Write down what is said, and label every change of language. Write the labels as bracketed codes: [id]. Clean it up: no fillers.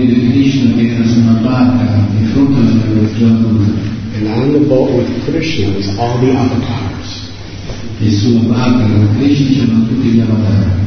[it] Krishna che era su una barca in fronte alla Jaladuta. [en] And on the boat with Krishna was all the avatars. [it] E sulla barca con Krishna c'erano tutti gli avatar.